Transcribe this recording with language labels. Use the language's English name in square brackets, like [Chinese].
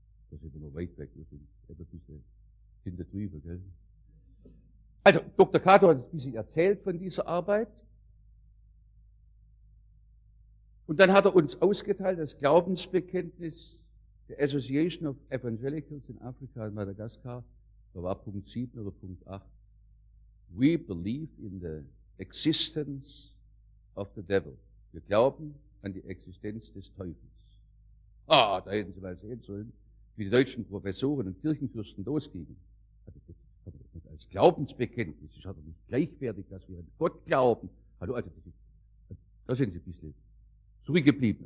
[German] Das ist immer weit weg, wir sind etwa ein bisschen hinter drüber, gell? Also, Dr. Kato hat ein bisschen erzählt von dieser Arbeit. Und dann hat er uns ausgeteilt, das Glaubensbekenntnis der Association of Evangelicals in Afrika und Madagaskar, da war Punkt 7 oder Punkt 8. [English] We believe in the existence of the devil. [German] Wir glauben an die Existenz des Teufels. Ah, da hätten Sie mal sehen sollen, wie die deutschen Professoren und Kirchenfürsten losgingen. Also als Glaubensbekenntnis, ist aber nicht gleichwertig, dass wir an Gott glauben. Hallo, also, da sind Sie ein bisschen zurückgeblieben.